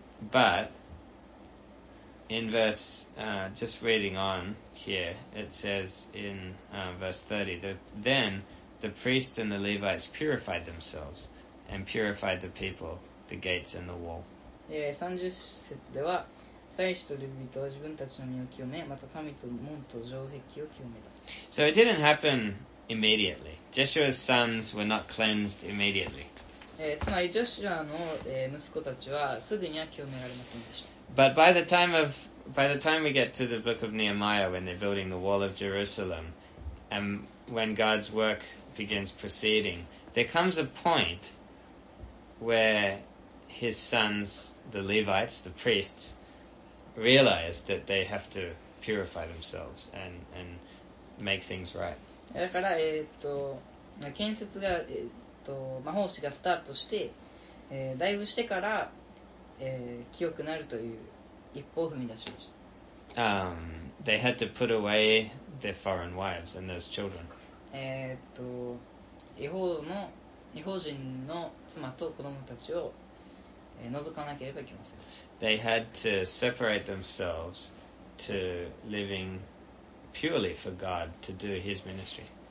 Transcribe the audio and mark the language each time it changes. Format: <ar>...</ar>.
<en>But in verse, just reading on here, it says in verse 30, that then the priests and the Levites purified themselves and purified the people, the gates and the wall.</en> <ja>30節では祭司とレビ人は自分たちの身を清め、また民と門と城壁を清めた。</ja> <en>So it didn't happen immediately. Joshua's sons were not cleansed immediately.</en> <ja>つまりジョシュアの息子たちはすぐには清められませんでした。</ja> <en>But by the time we get to the book of Nehemiah, when they're building the wall of Jerusalem, and when God's work begins proceeding, there comes a point where his sons, the Levites, the priests,realize that they have to purify themselves and make things right.</en> <ja>だから、建設が、魔法師がスタートして、だいぶしてから、清くなるという一歩を踏み出しました。</ja> <en>They had to put away their foreign wives and those children.</en> <ja>異邦人の妻と子供たちを、除かなければいけません。</ja> <en>They had to separate themselves to living purely for God to do His ministry.</en>